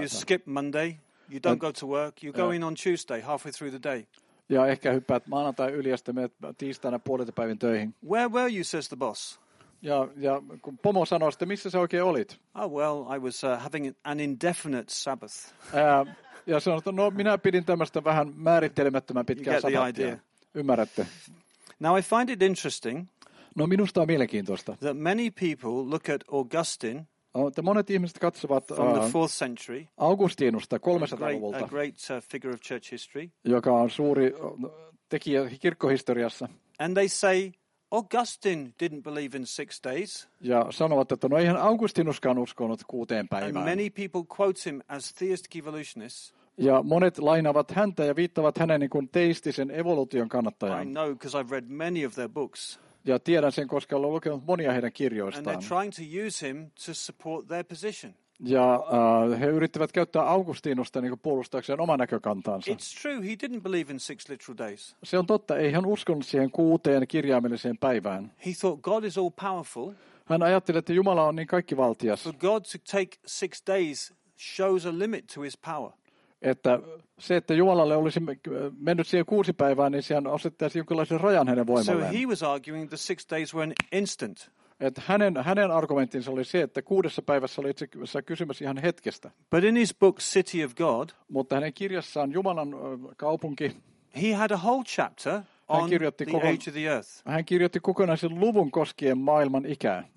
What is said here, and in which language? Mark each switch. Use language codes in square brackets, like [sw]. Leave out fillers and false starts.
[en] You skip Monday, you don't go to work, you go in on Tuesday, halfway through the day. [fi] Ja ehkä hyppäät maanantai yli ja sitten menet tiistaina puolilta päivin töihin. [en] Where were you, says the boss? [fi] Ja kun pomo sanoi, että missä sä oikein olit? [en] Oh well, I was having an indefinite Sabbath. [fi] Ja sanoi, että no minä pidin tämmöistä vähän määrittelemättömän pitkää sabbattia. Ymmärrätte. [en] Now I find it interesting. [fi] No minusta on mielenkiintoista. [en] That many people look at Augustine. [fi] Että monet ihmiset katsovat [en] from the 4th century. [fi] Augustinusta 300-luvulta. [en] A great figure of church history. [fi] Joka on suuri tekijä kirkkohistoriassa. [en] And they say, Augustine didn't believe in 6 days. [fi] Ja sanovat, että no eihän Augustinuskaan uskonut 6 päivään. [en] And many people quote him as theistic evolutionist. [fi] Ja monet lainaavat häntä ja viittavat hänen niin kuin teistisen evoluution kannattajaan. [en] I know, because I've read many of their books. [fi] Ja tiedän sen, koska olen lukenut monia heidän kirjoistaan. [en] And they're trying to use him to support their position. [fi] Ja he yrittävät käyttää Augustinusta niin kuin puolustaakseen oman näkökantaansa. [en] It's true, he didn't believe in 6 literal days. [fi] Se on totta, ei hän uskonut siihen 6 kirjaimelliseen päivään. [en] He thought God is all powerful. [fi] Hän ajatteli, että Jumala on niin kaikkivaltias. [en] For God to take 6 days shows a limit to his power. [fi] Että se, että Jumalalle olisi mennyt siihen 6 päivään, niin sehän asettaisi jonkinlaisen rajan hänen voimalleen. [en] So he was arguing the 6 days were an instant. [fi] Että hänen argumenttinsa oli se, että 6 päivässä oli itse asiassa kysymys ihan hetkestä. [en] But in his book, City of God, [fi] mutta hänen kirjassaan Jumalan kaupunki, [en] he had a whole chapter on the age of the earth. [fi] Hän kirjoitti kokonaisen luvun koskien maailman ikää.